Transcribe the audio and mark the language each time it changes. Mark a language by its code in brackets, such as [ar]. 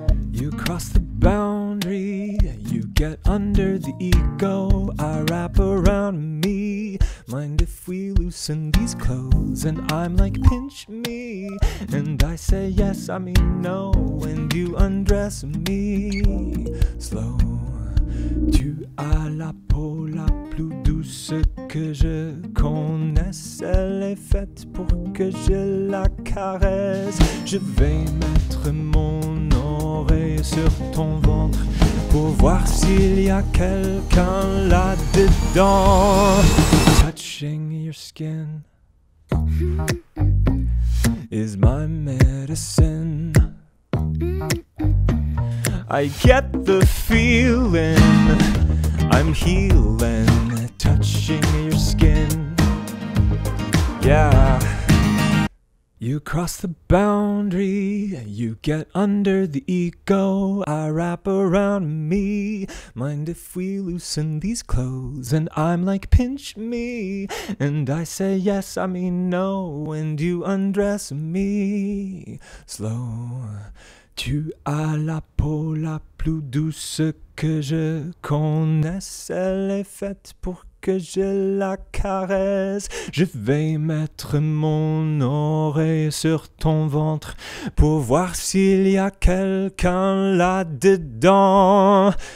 [en] You cross the boundary, you get under the ego. I wrap around me, mind if we loosen these clothes? And I'm like, pinch me, and I say yes, I mean no. And you undress me, slow. [fr] Tu as la peau la plus douce que je connaisse. Elle est faite pour que je la caresse. Je vais mettre mon oreille sur ton ventre pour voir s'il y a quelqu'un là-dedans. [en] Touching your skin is my medicine. I get the feeling I'm healing, touching your skin. Yeah. You cross the boundary, you get under the ego. I wrap around me, mind if we loosen these clothes? And I'm like, pinch me, and I say yes, I mean no. And you undress me, slow. [fr] Tu as la peau la plus douce que je connaisse. Elle est faite pour que je la caresse. Je vais mettre mon oreille sur ton ventre pour voir s'il y a quelqu'un là-dedans.